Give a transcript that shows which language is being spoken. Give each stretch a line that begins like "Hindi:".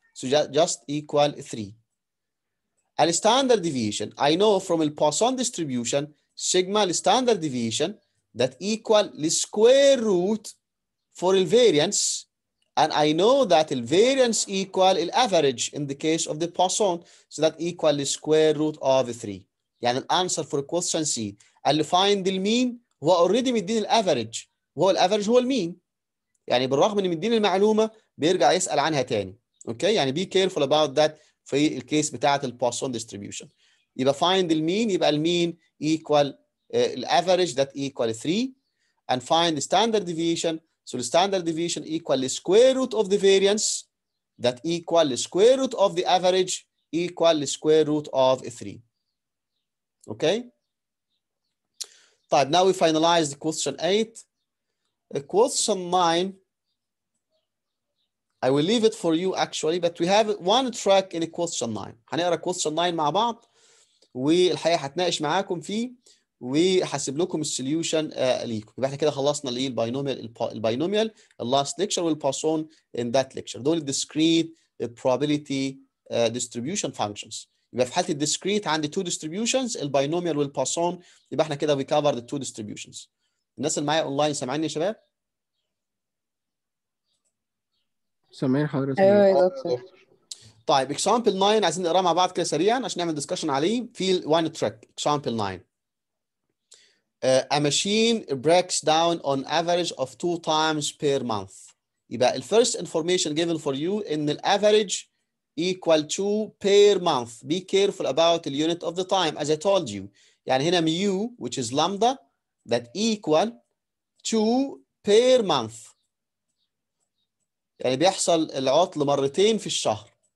English: So just equal 3. And standard deviation, I know from the Poisson distribution, sigma standard deviation that equal the square root for the variance. And I know that the variance equal the average in the case of the Poisson. So that equal the square root of 3. Yeah, an answer for question C. And find the mean, who already made the average. Well, average, who will mean?
Arabic: يعني بالرغم ان مديني المعلومه بيرجع يسال عنها تاني. اوكي؟ يعني
English: be careful about that
Arabic: في الكيس بتاعت البوسون ديستريبيوشن.
English: يبقى فايند المين، يبقى المين ايكوال الافريج that equal 3 and find standard deviation. So الستاندرد deviation equal square root of the variance that equal square root of the average equal square root of 3. Okay?
Arabic: طيب
English: now we finalize question 8. Question 9, I will leave it for you actually, but we have one track in question 9.
Arabic: هنقرأ question 9 مع بعض والحقيقة هتناقش معاكم فيه وحاسب لكم السوليوشن ليكم. يبقى احنا كده خلصنا الايه الباينوميال الباينوميال اللاست ليكشر والباسون ان ذات ليكشر. دول الديسكريت بروبابيلتي ديستريبيوشن فانكشنز. يبقى في حاله الديسكريت عندي تو ديستريبيوشنز الباينوميال والباسون. يبقى احنا كده
English: We cover the two distributions.
Arabic: الناس اللي معايا اونلاين سامعيني يا شباب؟ سامعين حضرتك؟ ايوه يا دكتور. طيب اكزامبل 9 عايزين نقراه مع بعض كده سريعا عشان نعمل ديسكشن عليه. في وان تراك اكزامبل 9.
English: A machine breaks down on average of 2 times per month.
Arabic: يبقى
English: the first information given for you in the average equal to per month. Be careful about the unit of the time as I told you.
Arabic: يعني هنا
English: mu which is lambda that equal to per month.
Arabic: يعني بيحصل العطل مرتين في الشهر.